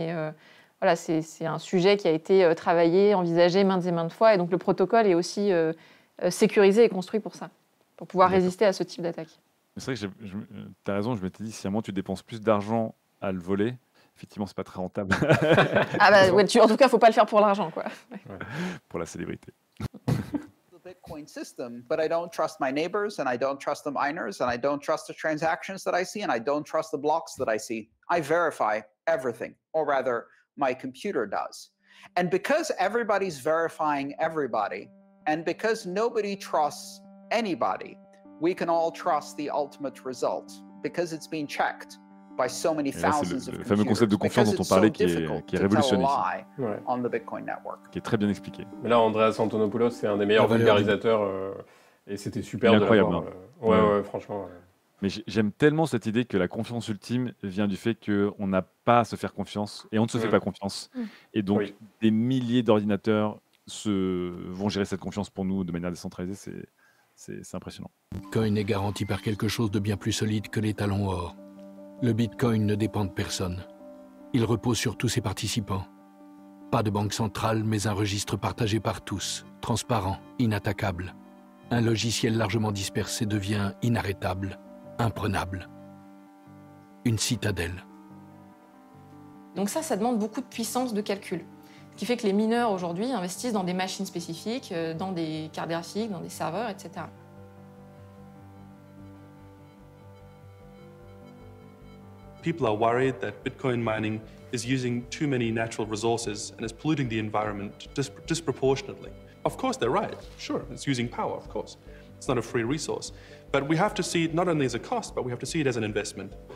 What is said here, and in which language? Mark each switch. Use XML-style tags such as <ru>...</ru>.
<fr>Ouais. Et voilà, c'est un sujet qui a été travaillé, envisagé maintes et maintes fois. Et donc, le protocole est aussi sécurisé et construit pour ça, pour pouvoir résister à ce type d'attaque. C'est vrai que tu as raison, je m'étais dit, si à un moment tu dépenses plus d'argent à le voler, effectivement, ce n'est pas très rentable. Ah bah, ouais, en tout cas, il ne faut pas le faire pour l'argent, quoi. Ouais. Pour la célébrité.</fr> <en>Bitcoin system, but I don't trust my neighbors and I don't trust the miners and I don't trust the transactions that I see and I don't trust the blocks that I see. I verify everything, or rather, my computer does. And because everybody's verifying everybody and because nobody trusts anybody, we can all trust the ultimate result because it's been checked by so many thousands of computers.</en> <fr>Le fameux concept de confiance dont on parlait qui est révolutionnaire.</fr> <en>On the Bitcoin network.</en> <fr>Qui est très bien expliqué. Mais là, Andreas Antonopoulos, c'est un des meilleurs vulgarisateurs. Et c'était super. Incroyable. Franchement. Mais j'aime tellement cette idée que la confiance ultime vient du fait qu'on n'a pas à se faire confiance et on ne se fait pas confiance. Et donc, des milliers d'ordinateurs vont gérer cette confiance pour nous de manière décentralisée. C'est impressionnant. Bitcoin est garanti par quelque chose de bien plus solide que les talons or. Le Bitcoin ne dépend de personne. Il repose sur tous ses participants. Pas de banque centrale, mais un registre partagé par tous, transparent, inattaquable. Un logiciel largement dispersé devient inarrêtable, imprenable. Une citadelle. Donc ça demande beaucoup de puissance de calcul. Ce qui fait que les mineurs aujourd'hui investissent dans des machines spécifiques, dans des cartes graphiques, dans des serveurs, etc.</fr> <en>People are worried that Bitcoin mining is using too many natural resources and is polluting the environment disproportionately. Of course, they're right. Sure, it's using power, of course. It's not a free resource. But we have to see it not only as a cost, but we have to see it as an investment.</en>